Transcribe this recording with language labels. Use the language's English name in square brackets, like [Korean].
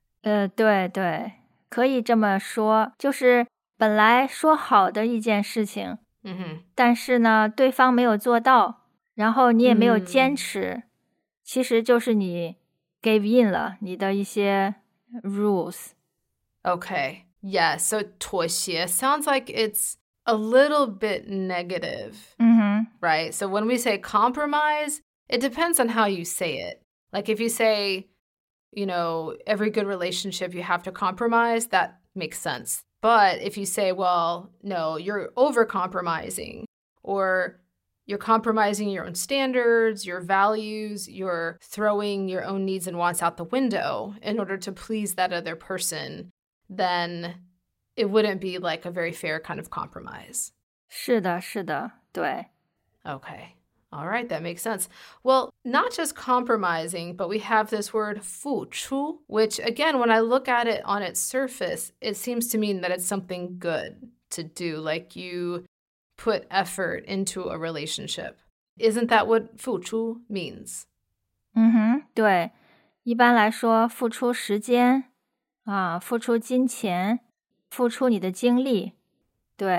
[Chinese] 对对，可以这么说，就是本来说好的一件事情，但是呢，对方没有做到，然后你也没有坚持，其实就是你 [English] gave in [Chinese] 了你的一些 rules. [English] Okay. Yeah. So 妥协 sounds like it's a little bit negative. Right. So when we say compromise, it depends on how you say it. Like if you say, you know, every good relationship you have to compromise, that makes sense. But if you say, well, no, you're over-compromising or you're compromising your own standards, your values, you're throwing your own needs and wants out the window in order to please that other person, then it wouldn't be like a very fair kind of compromise. [Chinese] 是的,是的,对。 [English] Okay. All right, that makes sense. Well, not just compromising, but we have this word 付出, which again, when I look at it on its surface, it seems to mean that it's something good to do, like you put effort into a relationship. Isn't that what 付出 means? [Chinese] 嗯哼，对，一般来说，付出时间，啊，付出金钱，付出你的精力，对。